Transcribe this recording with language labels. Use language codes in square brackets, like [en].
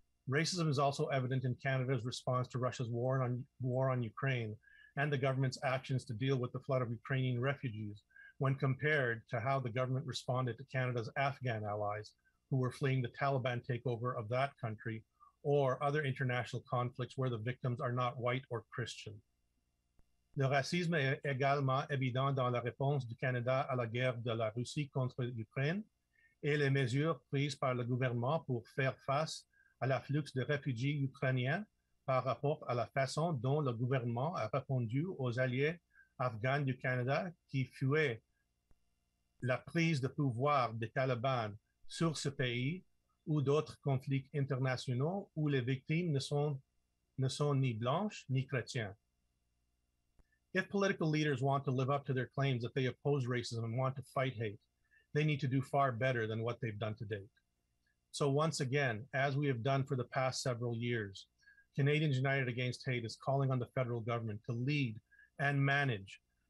[en] Racism is also evident in Canada's response to Russia's war on Ukraine and the government's actions to deal with the flood of Ukrainian refugees when compared to how the government responded to Canada's Afghan allies who were fleeing the Taliban takeover of that country, or other international conflicts where the victims are not white or Christian. [fr] Le racisme est également évident dans la réponse du Canada à la guerre de la Russie contre l'Ukraine et les mesures prises par le gouvernement pour faire face à l'afflux de réfugiés ukrainiens par rapport à la façon dont le gouvernement a répondu aux alliés afghans du Canada qui fuyaient la prise de pouvoir des talibans sur ce pays ou d'autres conflits internationaux où les victimes ne sont ni blanches ni chrétiens. [en] If political leaders want to live up to their claims that they oppose racism and want to fight hate, they need to do far better than what they've done to date. So once again, as we have done for the past several years, Canadians United Against Hate is calling on the federal government to lead and manage